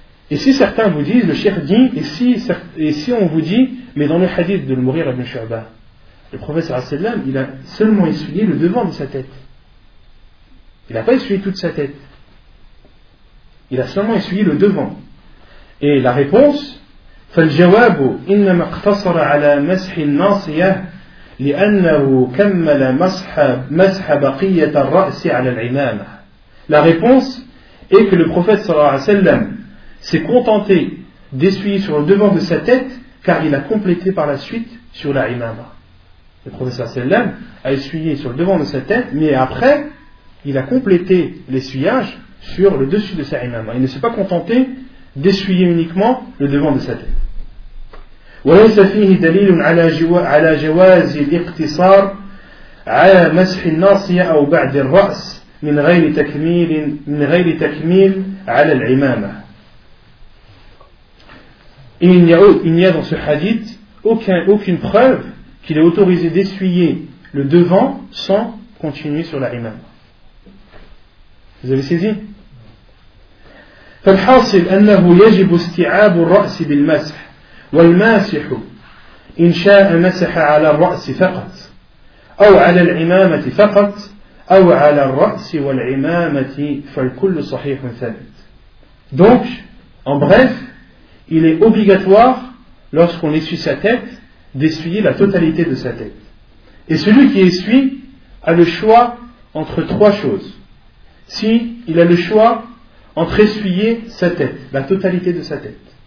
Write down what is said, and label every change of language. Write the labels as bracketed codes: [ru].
[fr] Et si certains vous disent, le cheikh dit, et si on vous dit, mais dans le hadith de Mourir ibn Shu'ba, le prophète sallallahu alayhi wa sallam, il a seulement essuyé le devant de sa tête. Il n'a pas essuyé toute sa tête. Il a seulement essuyé le devant. Et la réponse, [ar] فالجواب إنما اقتصر على مسح الناصية لأنه كمل مسح بقية الرأس على العمامة. [fr] La réponse est que le prophète sallallahu alayhi wa sallam s'est contenté d'essuyer sur le devant de sa tête car il a complété par la suite sur la imama. Le prophète sallallahu alayhi wa sallam a essuyé sur le devant de sa tête, mais après il a complété l'essuyage sur le dessus de sa imama. Il ne s'est pas contenté d'essuyer uniquement le devant de sa tête. [ar] وليس فيه دليل على جواز الاقتصار على مسح الناصية أو بعد الرأس من غير تكميل على العمامة. [fr] Il n'y a dans ce hadith aucune preuve qu'il est autorisé d'essuyer le devant sans continuer sur la imama. Vous avez saisi ? [ar] فالحاصل أنه يجب استيعاب الرأس بالمسح والماسح إن شاء مسح على الرأس فقط أو على العمامة فقط أو على الرأس والعمامة فالكل صحيح ثابت. [fr] Donc, en bref, il est obligatoire, lorsqu'on essuie sa tête, d'essuyer la totalité de sa tête. Et celui qui essuie a le choix entre trois choses. Si il a le choix entre essuyer sa tête, la totalité de sa tête.